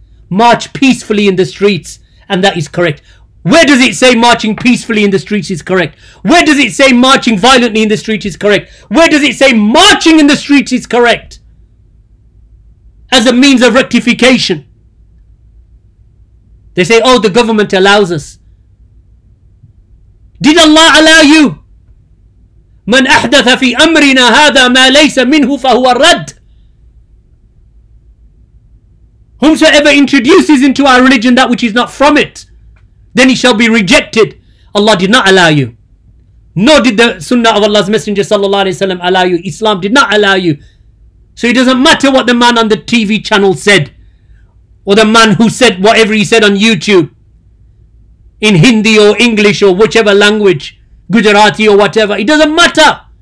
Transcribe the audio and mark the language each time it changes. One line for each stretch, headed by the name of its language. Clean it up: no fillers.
English: March peacefully in the streets. And that is correct. Where does it say marching peacefully in the streets is correct? Where does it say marching violently in the streets is correct? Where does it say marching in the streets is correct? As a means of rectification. They say, oh, the government allows us. Did Allah allow you?
Arabic: من أحدث في أمرنا هذا ما ليس منه فهو رد.
English: Whomsoever introduces into our religion that which is not from it, then he shall be rejected. Allah did not allow you. Nor did the sunnah of Allah's Messenger sallallahu alayhi wa sallam allow you. Islam did not allow you. So it doesn't matter what the man on the TV channel said, or the man who said whatever he said on YouTube, in Hindi or English or whichever language, Gujarati or whatever. It doesn't matter.